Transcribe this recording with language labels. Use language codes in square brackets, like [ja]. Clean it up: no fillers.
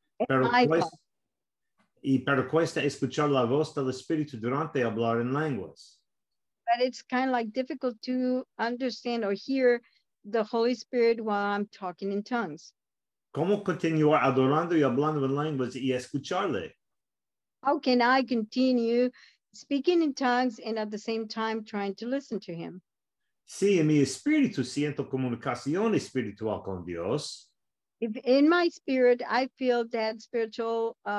[es] Pero cuesta escuchar la voz del Espíritu durante hablar en lenguas. [en] But it's kind of like difficult to understand or hear the Holy Spirit while I'm talking in tongues. [es] ¿Cómo continuar adorando y hablando en lenguas y escucharle? [en] How can I continue speaking in tongues and at the same time trying to listen to him? [es] Sí, en mi espíritu siento comunicación espiritual con Dios. [en] If in my spirit, I feel that spiritual